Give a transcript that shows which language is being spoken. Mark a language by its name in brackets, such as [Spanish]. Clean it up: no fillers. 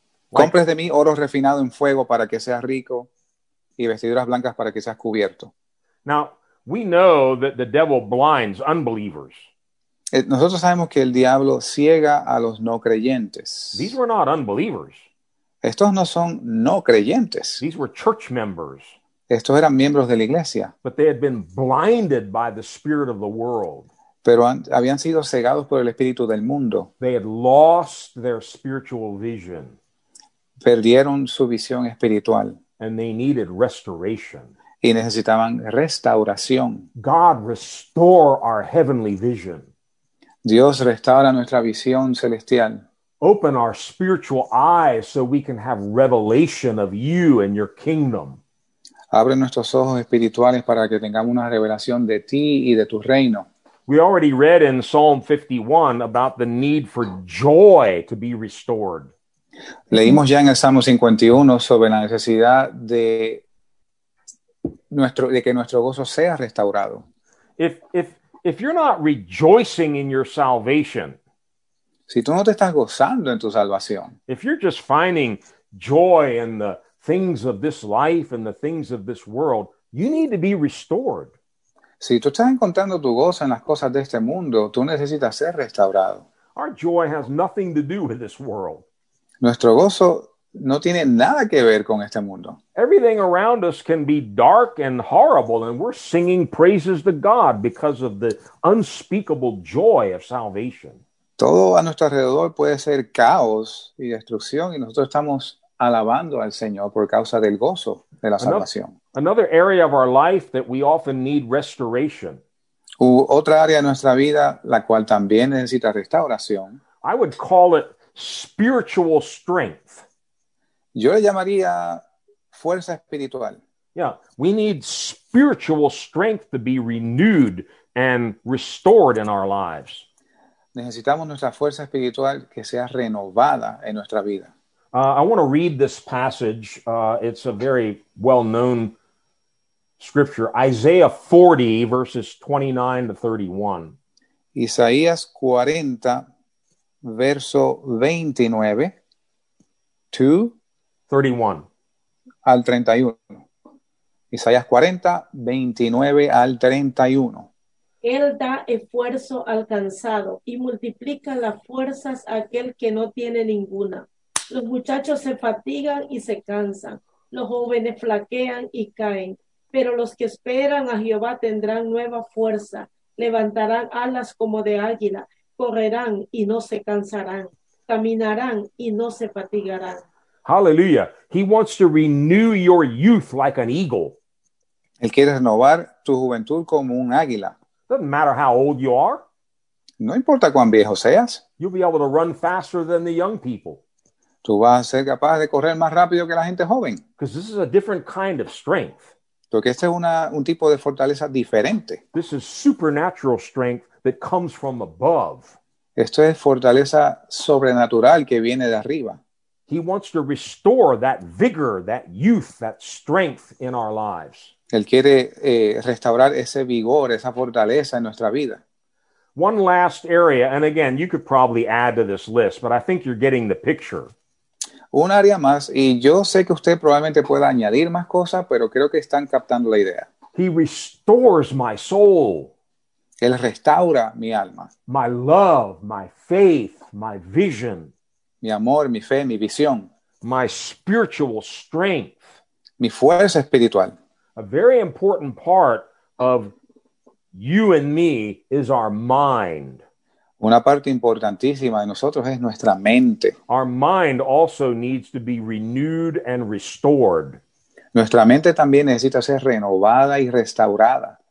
[Spanish] Compres de mí oro refinado en fuego para que seas rico y vestiduras blancas para que seas cubierto. [English] Now, we know that the devil blinds unbelievers. [Spanish] Nosotros sabemos que el diablo ciega a los no creyentes. [English] These were not unbelievers. [Spanish] Estos no son no creyentes. [English] These were church members. [Spanish] Estos eran miembros de la iglesia. [English] But they had been blinded by the spirit of the world. [Spanish] Pero habían sido cegados por el espíritu del mundo. [English] They had lost their spiritual vision. [Spanish] perdieron su visión espiritual. [English] And they needed restoration. [Spanish] Y necesitaban restauración. [English] God, restore our heavenly vision. [Spanish] Dios, restaura nuestra visión celestial. [English] Open our spiritual eyes so we can have revelation of you and your kingdom. [Spanish] Abre nuestros ojos espirituales para que tengamos una revelación de ti y de tu reino. [English] We already read in Psalm 51 about the need for joy to be restored. [Spanish] Leímos ya en el Salmo 51 sobre la necesidad de que nuestro gozo sea restaurado. [English] If you're not rejoicing in your salvation, [Spanish] si tú no te estás gozando en tu salvación, [English] if you're just finding joy in the things of this life and the things of this world, you need to be restored. [Spanish] Si tú estás encontrando tu gozo en las cosas de este mundo, tú necesitas ser restaurado. [English] Our joy has nothing to do with this world. [Spanish] Nuestro gozo no tiene nada que ver con este mundo. [English] Everything around us can be dark and horrible, and we're singing praises to God because of the unspeakable joy of salvation. [Spanish] Todo a nuestro alrededor puede ser caos y destrucción, y nosotros estamos alabando al Señor por causa del gozo de la salvación. [English] Another area of our life that we often need restoration. [Spanish] Otra área de nuestra vida la cual también necesita restauración. [English] I would call it spiritual strength. [Spanish] Yo le llamaría fuerza espiritual. [English] Yeah, we need spiritual strength to be renewed and restored in our lives. [Spanish] Necesitamos nuestra fuerza espiritual que sea renovada en nuestra vida. [English] I want to read this passage. It's a very well-known scripture. Isaiah 40, verses 29 to 31. [Spanish] Isaías 40, verso 29 to 31. Al 31. Isaías 40, 29 al 31. Él da esfuerzo al cansado y multiplica las fuerzas a aquel que no tiene ninguna. Los muchachos se fatigan y se cansan. Los jóvenes flaquean y caen. Pero los que esperan a Jehová tendrán nueva fuerza. Levantarán alas como de águila. Correrán y no se cansarán. Caminarán y no se fatigarán. [English] Hallelujah. He wants to renew your youth like an eagle. [Spanish] Él quiere renovar tu juventud como un águila. [English] Doesn't matter how old you are. [Spanish] No importa cuán viejo seas. [English] You'll be able to run faster than the young people. [Spanish] Tú vas a ser capaz de correr más rápido que la gente joven. [English] Because this is a different kind of strength. [Spanish] Porque este es un tipo de fortaleza diferente. [English] This is supernatural strength that comes from above. [Spanish] Esto es fortaleza sobrenatural que viene de arriba. [English] He wants to restore that vigor, that youth, that strength in our lives. [Spanish] Él quiere restaurar ese vigor, esa fortaleza en nuestra vida. [English] One last area, and again, you could probably add to this list, but I think you're getting the picture. [Spanish] Un área más, y yo sé que usted probablemente pueda añadir más cosas, pero creo que están captando la idea. [English] He restores my soul. [Spanish] Él restaura mi alma. [English] My love, my faith, my vision. [Spanish] Mi amor, mi fe, mi visión. [English] My spiritual strength. [Spanish] Mi fuerza espiritual. [English] A very important part of you and me is our mind. [Spanish] Una parte importantísima de nosotros es nuestra mente. [English] Our mind also needs to be renewed and restored. [Spanish] Nuestra mente también necesita ser renovada y restaurada.